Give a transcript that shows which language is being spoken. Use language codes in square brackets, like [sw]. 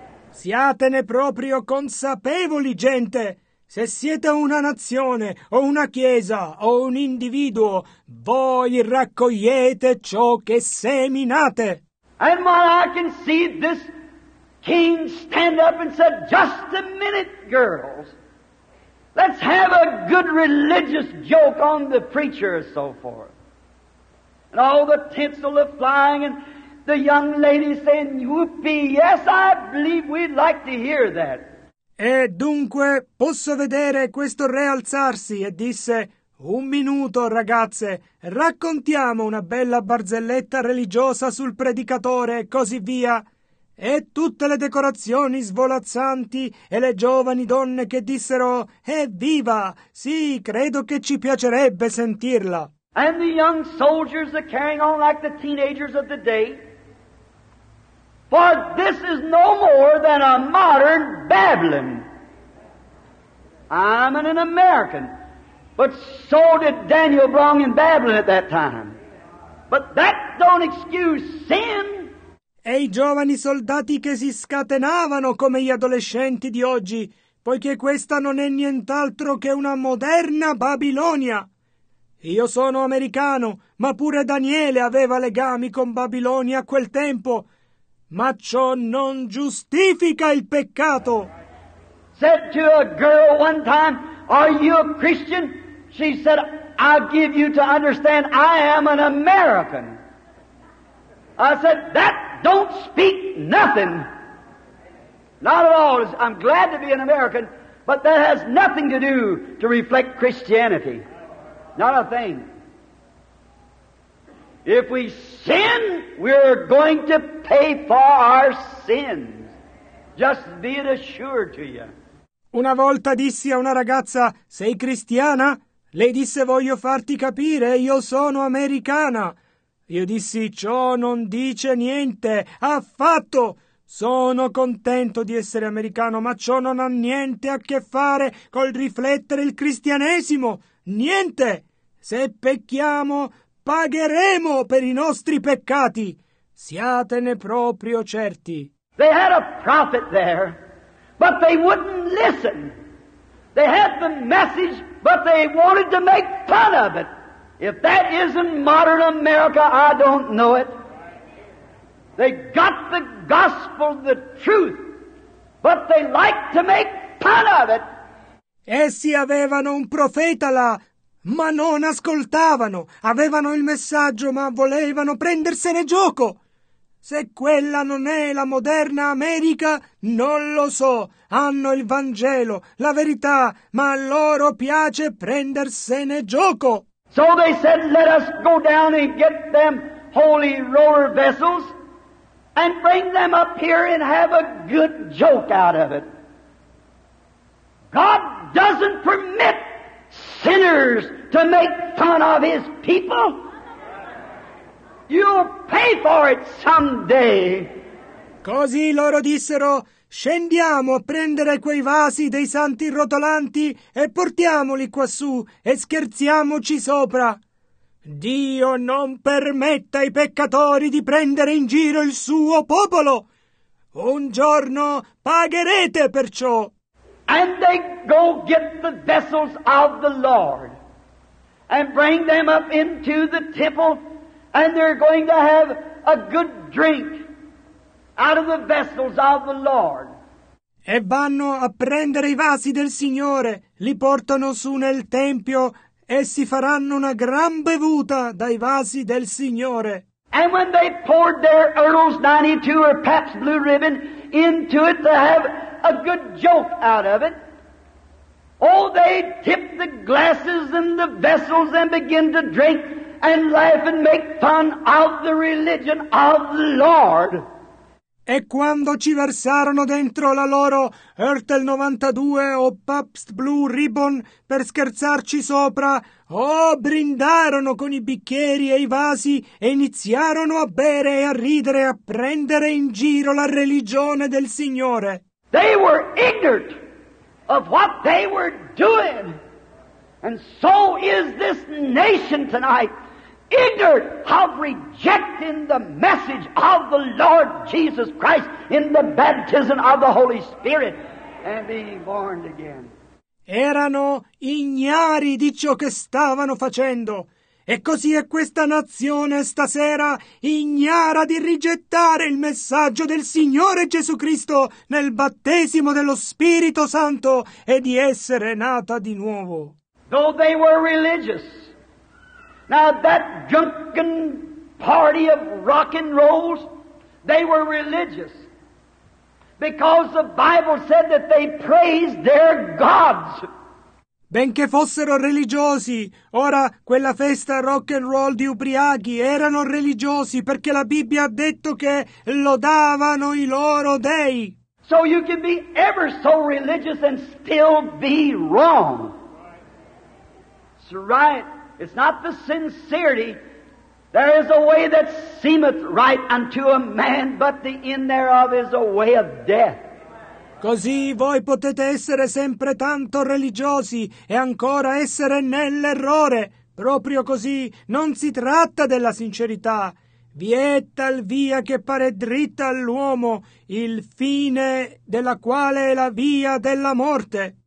[it] Siatene proprio consapevoli, gente. Se siete una nazione, o una chiesa, o un individuo, voi raccogliete ciò che seminate. [en] And while I can see this king stand up and say, just a minute, girls. Let's have a good religious joke on the preacher and so forth. And all the tinsel are flying and the young lady saying, whoopee, yes, I believe we'd like to hear that. [it] E dunque posso vedere questo re alzarsi e disse: un minuto, ragazze, raccontiamo una bella barzelletta religiosa sul predicatore e così via. E tutte le decorazioni svolazzanti e le giovani donne che dissero: evviva! Sì, credo che ci piacerebbe sentirla. [en] And the young soldiers are carrying on like the teenagers of the day. For this is no more than a modern Babylon. I'm an American, but so did Daniel belong in Babylon at that time. But that don't excuse sin. [it] E i giovani soldati che si scatenavano come gli adolescenti di oggi, poiché questa non è nient'altro che una moderna Babilonia. Io sono americano, ma pure Daniele aveva legami con Babilonia a quel tempo. Ma ciò non giustifica il peccato. [en] Said to a girl one time, are you a Christian? She said, I give you to understand I am an American. I said, that don't speak nothing. Not at all. I'm glad to be an American, but that has nothing to do to reflect Christianity. Not a thing. If we sin, we're going to pay for our sins. Just be it assured to you. [it] Una volta dissi a una ragazza, sei cristiana? Lei disse, voglio farti capire, io sono americana. Io dissi, ciò non dice niente, affatto. Sono contento di essere americano, ma ciò non ha niente a che fare col riflettere il cristianesimo. Niente. Se pecchiamo, pagheremo per i nostri peccati. Siatene proprio certi. [en] They had a prophet there, but they wouldn't listen. They had the message, but they wanted to make fun of it. If that isn't modern America, I don't know it. They got the gospel, the truth, but they like to make fun of it. [it] Essi avevano un profeta là, ma non ascoltavano, avevano il messaggio, ma volevano prendersene gioco. Se quella non è la moderna America, non lo so. Hanno il Vangelo, la verità, ma a loro piace prendersene gioco. [en] So they said, let us go down and get them holy roller vessels and bring them up here and have a good joke out of it. God doesn't permit sinners to make fun of his people. You'll pay for it someday. [it] Così loro dissero: scendiamo a prendere quei vasi dei santi rotolanti e portiamoli quassù e scherziamoci sopra. Dio non permette ai peccatori di prendere in giro il suo popolo. Un giorno pagherete per ciò. [en] And they go get the vessels of the Lord and bring them up into the temple, and they're going to have a good drink out of the vessels of the Lord. [it] E vanno a prendere i vasi del Signore, li portano su nel tempio e si faranno una gran bevuta dai vasi del Signore. [en] And when they poured their Earl's 92 or Pabst Blue Ribbon into it to have a good joke out of it. Oh, they tipped the glasses and the vessels and begin to drink and laugh and make fun of the religion of the Lord. [it] E quando ci versarono dentro la loro Ertel 92 o Pabst Blue Ribbon per scherzarci sopra, oh, brindarono con i bicchieri e i vasi e iniziarono a bere e a ridere e a prendere in giro la religione del Signore. [en] They were ignorant of what they were doing. And so is this nation tonight, ignorant of rejecting the message of the Lord Jesus Christ in the baptism of the Holy Spirit and being born again. [it] Erano ignari di ciò che stavano facendo. E così è questa nazione stasera ignara di rigettare il messaggio del Signore Gesù Cristo nel battesimo dello Spirito Santo e di essere nata di nuovo. [en] Though they were religious, now that drunken party of rock and rolls, they were religious because the Bible said that they praised their gods. [it] Benché fossero religiosi, ora quella festa rock and roll di ubriachi, erano religiosi perché la Bibbia ha detto che lodavano i loro dei. [en] So you can be ever so religious and still be wrong. It's right. It's not the sincerity. There is a way that seemeth right unto a man, but the end thereof is a way of death. [it] Così voi potete essere sempre tanto religiosi e ancora essere nell'errore. Proprio così non si tratta della sincerità. Vi è tal via che pare dritta all'uomo, il fine della quale è la via della morte.